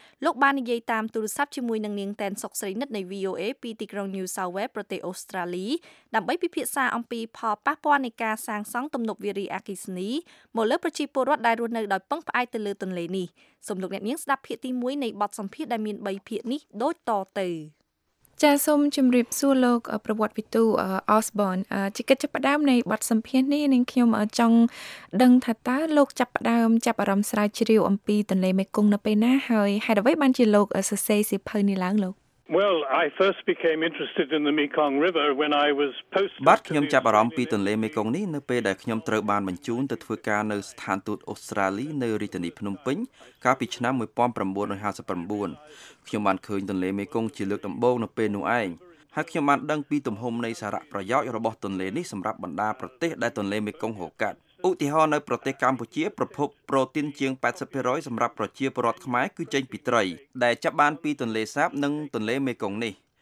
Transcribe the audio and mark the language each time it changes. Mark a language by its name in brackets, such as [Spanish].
[Khmer] លោកបាននិយាយតាមទូរស័ព្ទជាមួយនឹងនាងតែនសុកស្រីនិតនៃ VOA ពីទីក្រុង New South Wales ប្រទេសអូស្ត្រាលីដើម្បីពិភាក្សាអំពីផលប៉ះពាល់នៃការសាងសង់ទំនប់វារីអាកិសនីមកលើប្រជាពលរដ្ឋដែលរស់នៅដោយពឹងផ្អែកទៅលើទន្លេនេះសូមលោកអ្នកនាងស្ដាប់ភាគទី1នៃបទសម្ភាសន៍ដែលមាន3ភាគនេះដូចតទៅ ចាសសូមជម្រាបសួរលោកប្រវត្តិវិទូ Osborne ជាកិច្ចចាប់ផ្ដើមនៃបទសម្ភាសន៍នេះនឹងខ្ញុំចង់ដឹងថាតើលោកចាប់ផ្ដើមចាប់អារម្មណ៍ស្រាវជ្រាវអំពីទន្លេមេគង្គនៅពេលណាហើយហេតុអ្វីបានជាលោកសរសេរសៀវភៅនេះឡើងលោក [English] Well, I first became interested in the Mekong River when I was posted. [Khmer] បាទខ្ញុំចាប់អារម្មណ៍ពីទន្លេមេគង្គនេះនៅពេលដែលខ្ញុំត្រូវបានបញ្ជូនទៅធ្វើការនៅស្ថានទូតអូស្ត្រាលីនៅរាជធានីភ្នំពេញកាលពីឆ្នាំ1959ខ្ញុំបានឃើញទន្លេមេគង្គជាលើកដំបូងនៅពេលនោះឯងហើយខ្ញុំបានដឹងពីទំហំនៃសារៈប្រយោជន៍របស់ទន្លេនេះសម្រាប់បណ្ដាប្រទេសដែលទន្លេមេគង្គហូរកាត់ឧទាហរណ៍នៅប្រទេសកម្ពុជាប្រភពប្រូតេអ៊ីនជាង 80% សម្រាប់ប្រជាពលរដ្ឋខ្មែរគឺចេញពីត្រីដែលចាប់បានពីទន្លេសាបនិងទន្លេមេគង្គនេះ